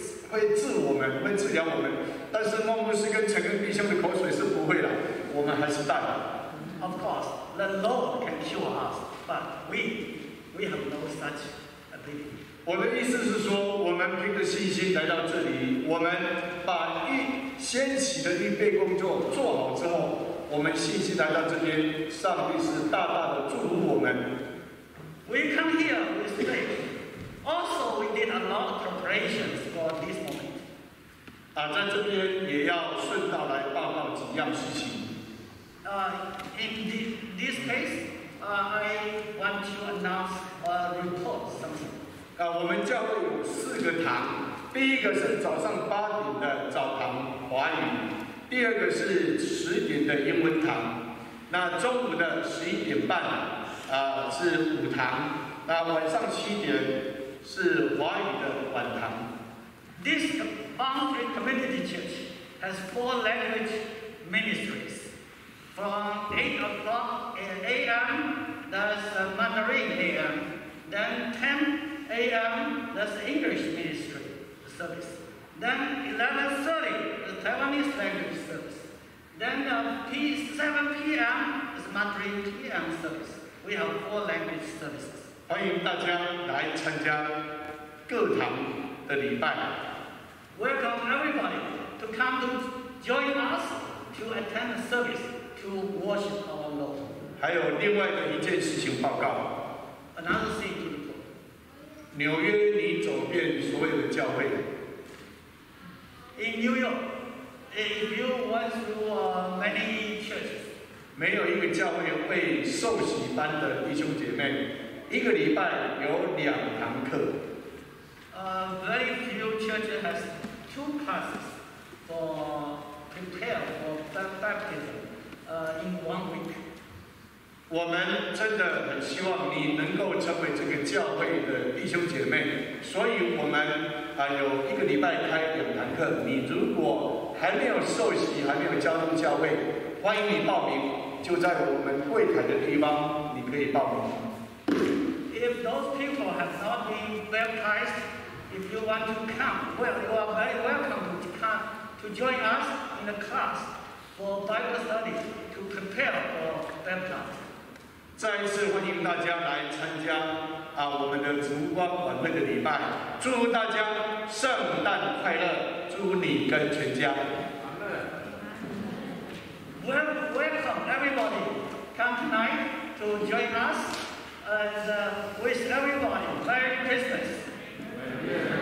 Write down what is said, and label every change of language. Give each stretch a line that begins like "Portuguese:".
Chinese: 会治我们，会治疗我们，但是孟牧师跟整个弟兄的口水是不会的。我们还是大人。
English: Of course, the Lord can cure us, but we have no such ability.
Chinese: 我的意思是说，我们凭着信心来到这里，我们把预先起的预备工作做好之后，我们信心来到这边，上帝是大大的祝福我们。
English: We come here with faith. Also, we did a lot of preparations for this moment.
Chinese: 在这边也要顺道来报告几样事情。
English: In this case, I want to announce a report something.
Chinese: 我们教会有四个堂，第一个是早上八点的早堂华语，第二个是十点的英文堂，那中午的十一点半。是午堂，那晚上七点是华语的晚堂。
English: This Boundary Community Church has four language ministries. From 8 o'clock a.m. there's a Mandarin a.m. then 10 a.m. there's English ministry service. Then 11:30 the Taiwanese language service. Then 7 p.m. is Mandarin p.m. service. We have four language services.
Chinese: 欢迎大家来参加各堂的礼拜。
English: Welcome everybody to come to join us to attend the service to worship our Lord.
Chinese: 还有另外的一件事情报告。
English: Another thing to report.
Chinese: 纽约，你走遍所有的教会。
English: In New York, if you went through many churches.
Chinese: 没有一个教会会受洗班的弟兄姐妹，一个礼拜有两堂课。
English: Very few churches has two classes for prepare for baptism, in one week.
Chinese: 我们真的很希望你能够成为这个教会的弟兄姐妹，所以我们有一个礼拜开两堂课。你如果还没有受洗，还没有加入教会，欢迎你报名。就在我们柜台的地方，你可以报名。
English: If those people have not been baptized, if you want to come, well, you are very welcome to come to join us in the class for Bible study to prepare for baptism.
Chinese: 再一次欢迎大家来参加我们的烛光晚会的礼拜。祝福大家圣诞快乐，祝福你跟全家。
English: Welcome everybody. Come tonight to join us and wish everybody Merry Christmas.